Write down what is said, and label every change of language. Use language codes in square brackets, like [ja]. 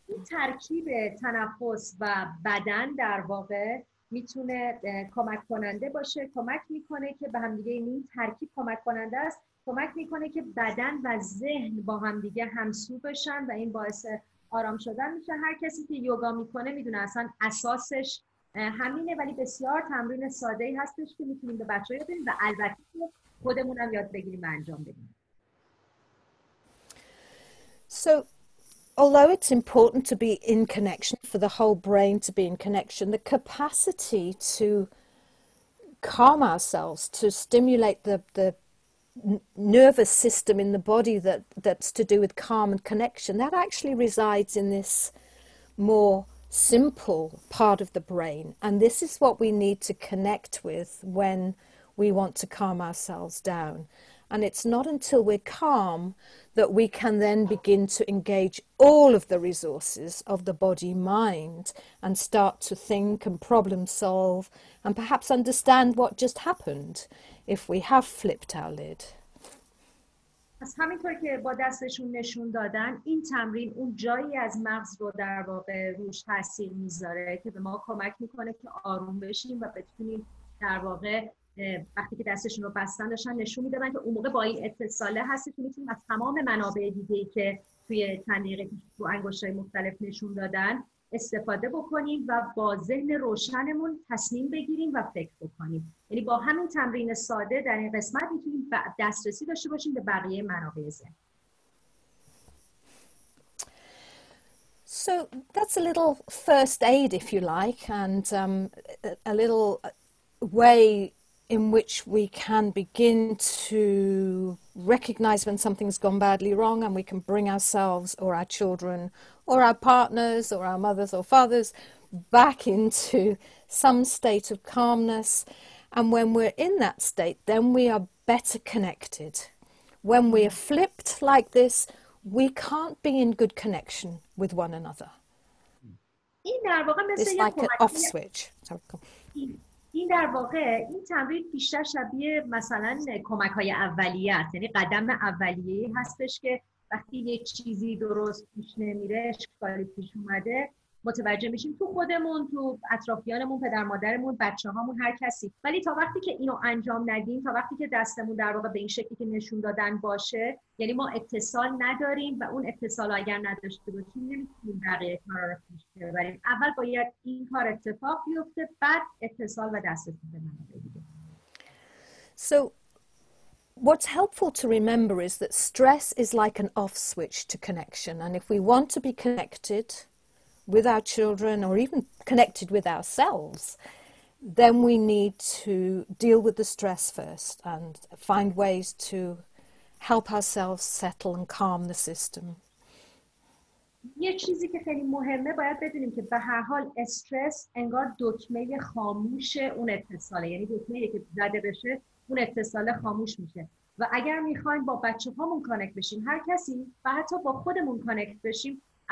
[fa] ترکیب تنفس و بدن در واقع میتونه کمک کننده باشه، کمک میکنه که به هم دیگه، این ترکیب کمک کننده است، کمک میکنه که بدن و ذهن با هم دیگه همسو بشن و این باعث آرام شدن میشه. هر کسی که یوگا میکنه میدونه اصلا اساسش همینه، ولی بسیار تمرین ساده ای هستش که میتونیم به بچه‌ها یاد بدیم و البته خودمون هم یاد بگیریم و انجام بدیم. [en] So, although it's important to be in connection, for the whole brain to be in connection, the capacity to calm ourselves, to stimulate the nervous system in the body that's to do with calm and connection, that actually resides in this more simple part of the brain. And this is what we need to connect with when we want to calm ourselves down. And it's not until we're calm that we can then begin to engage all of the resources of the body mind and start to think and problem solve and perhaps understand what just happened if we have flipped our lid. [fa] از همینطور که با دستشون نشون دادن، این تمرین اون جایی از مغز رو در واقع روش تاثیر میذاره که به ما کمک میکنه که آروم بشیم و بتونیم در واقع وقتی که دستشون رو بستن داشتن نشون میدادن که اون موقع با این اتصاله هستی که میتونیم از تمام منابع دیگه ای که توی تنیقه تو انگشت های مختلف نشون دادن استفاده بکنیم و با ذهن روشنمون تصمیم بگیریم و فکر بکنیم. یعنی با همین تمرین ساده در این قسمت میتونیم دسترسی داشته باشیم به بقیه منابع ذهن. [en] So that's a little first aid, if you like, and a little way in which we can begin to recognize when something's gone badly wrong, and we can bring ourselves or our children or our partners or our mothers or fathers back into some state of calmness. And when we're in that state, then we are better connected. When we are flipped like this, we can't be in good connection with one another. It's like an off switch. [fa] این در واقع این تمرین بیشتر شبیه مثلا کمک‌های اولیه است، یعنی قدم اولیه هستش که وقتی یه چیزی درست پیش نمیره، اشکالی پیش اومده، متوجه میشیم تو خودمون، تو اطرافیانمون، پدر مادرمون، بچه‌هامون، هر کسی. ولی تا وقتی که اینو انجام ندیم، تا وقتی که دستمون در واقع به این شکلی که نشون دادن باشه، یعنی ما اتصال نداریم و اون اتصال اگر نداشته باشیم نمیتونیم بقیه کارا رو پیش ببریم. اول باید این کار اتفاق بیفته، بعد اتصال و دستتون به من بدید. [en] So what's helpful to remember is that stress is like an off switch to connection, and if we want to be connected with our children or even connected with ourselves, then we need to deal with the stress first and find ways to help ourselves settle and calm the system. [fa] یه چیزی که خیلی مهمه باید بدونیم که به هر حال استرس انگار دکمه خاموش اون اتصاله، یعنی دکمه‌ای که زده بشه اون اتصال خاموش میشه. و اگر میخوایم با بچه‌هامون کانکت بشیم، هر کسی، و حتی با خودمون کانکت بشیم،